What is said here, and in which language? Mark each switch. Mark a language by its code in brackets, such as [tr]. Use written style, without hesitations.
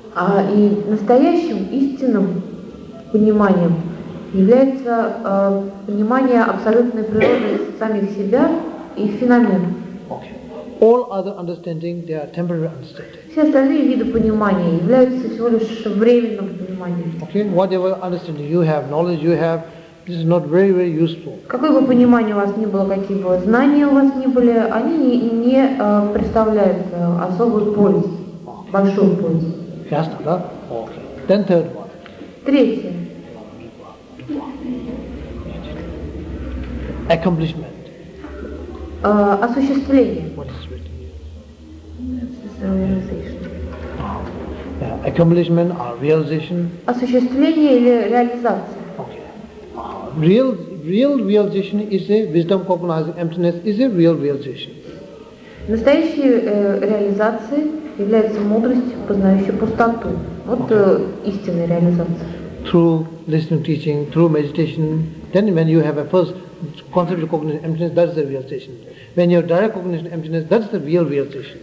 [ru] А и настоящим истинным пониманием является понимание абсолютной природы самих себя и феномена. [en] Okay. All other understanding, they are temporary understanding. [ru] Все остальные виды понимания являются всего лишь временным пониманием. [en] Okay. Whatever understanding you have, knowledge you have, this is not very, very useful. [ru] Какое бы понимание у вас ни было, какие бы знания у вас ни были, они не представляют особую пользу, большую пользу. Ясно, да? [en] Okay. Then third one. [ru] Третье. [en] Accomplishment. [ru] Осуществление. [en] What is written here? Realization. Yeah. Accomplishment or realization. [ru] Осуществление или реализация. [en] Okay. Real realization is a wisdom cognizing emptiness is a real realization. [ru] Настоящая реализация является мудростью, познающей пустоту. Вот okay. Истинная реализация. [en] Through listening, teaching, through meditation, then when you have a first concept of cognition emptiness, that's the realization. When you have direct cognition emptiness, that's the real realization.